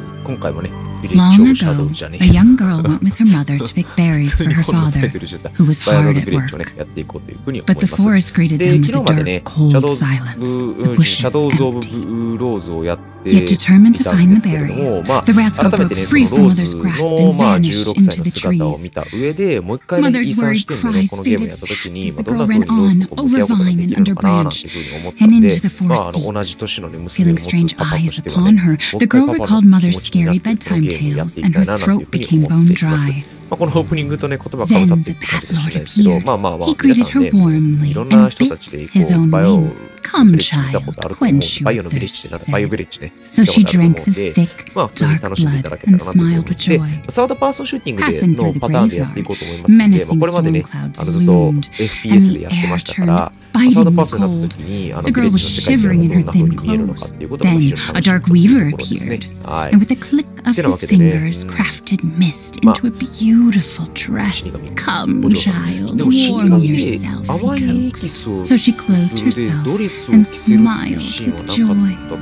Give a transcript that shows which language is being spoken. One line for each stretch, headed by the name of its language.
Japanese: 今回もね、ビレッジオブシャドウじゃねえ。
English: A young girl went with her mother to pick berries for her father, who was hard at work.
Japanese: ビレッジをね、やっていこうというふうに思います。
English: But the forest greeted them with dark, cold silence.
Japanese: シャドウズ・オブ・ブローズをやって
English: Yet determined to find the berries, the rascal broke free from mother's grasp and vanished into the trees. Mother's worried cries faded fast as the girl ran on over vine and under branch and into the forest deep. Feeling strange eyes upon her, the girl recalled mother's scary bedtime tales and her throat became bone dry.
Japanese: まあ、このオープニングとね言葉が重なっていく感じかもしれないですけど、まあまあまあ皆さんね、いろんな人たちでこうバイオビレッジ見たことあると思うんで、バイオのビレッジでなんかバイオビレッジね、見たことあると思うんで、まあ普通に楽しんでいただけたらなと思うんで、で、サードパーソンシューティングでのパターンでやっていこうと思いますので、まあ、これまでね、あのずっと FPS でやってましたから、
English: The girl was shivering in her thin clothes. Then a dark weaver appeared, and with a click of his fingers, crafted mist into a beautiful dress. Come, child, warm yourself. So she clothed herself and smiled with joy.